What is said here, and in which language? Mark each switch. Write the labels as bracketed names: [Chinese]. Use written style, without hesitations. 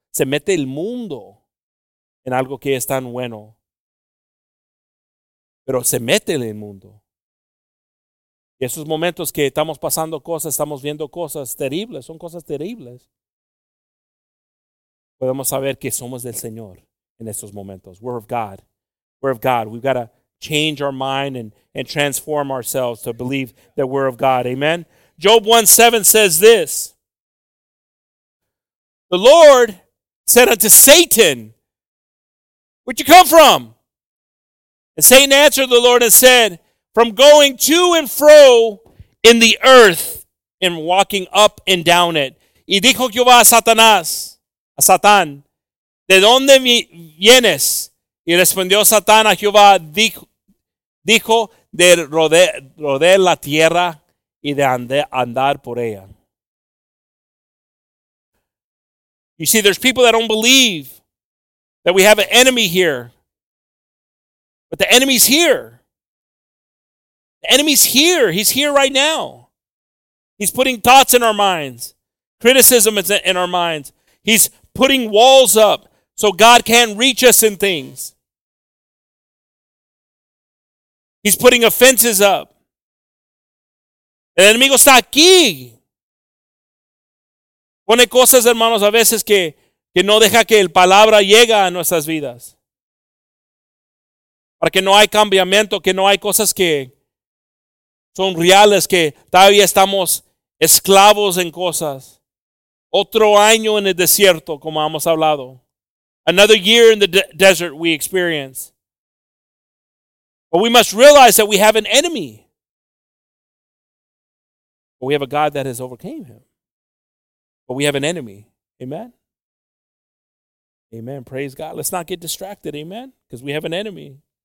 [Spanish] Se mete el mundo en algo que es tan bueno. Pero se mete el mundo. Esos momentos que estamos pasando cosas, estamos viendo cosas terribles, son cosas terribles. Podemos saber que somos del Señor en estos momentos. [English] We're of God. We're of God. We've got to change our mind and transform ourselves to believe that we're of God. Amen. Job 1:7 says this. The Lord said unto Satan, where'd you come from? And Satan answered the Lord and said, from going to and fro in the earth and walking up and down it. Y dijo Jehová a Satanás, a Satán, ¿de dónde vienes? Y respondió Satán a Jehová, dijo de rodear la tierra y de andar por ella. You see, there's people that don't believe that we have an enemy here. But the enemy's here. The enemy's here. He's here right now. He's putting thoughts in our minds. Criticism is in our minds. He's putting walls up so God can't reach us in things. He's putting offenses up. [Spanish] El enemigo está aquí. Pone cosas, hermanos, a veces que no deja que el palabra llegue a nuestras vidas. Para que no hay cambiamiento, que no hay cosas que son reales, que todavía estamos esclavos en cosas. Otro año en el desierto, como hemos hablado. [English] Another year in the desert we experience. But we must realize that we have an enemy. But we have a God that has overcame him. But we have an enemy. Amen? Amen. Praise God. Let's not get distracted. Amen? Because we have an enemy.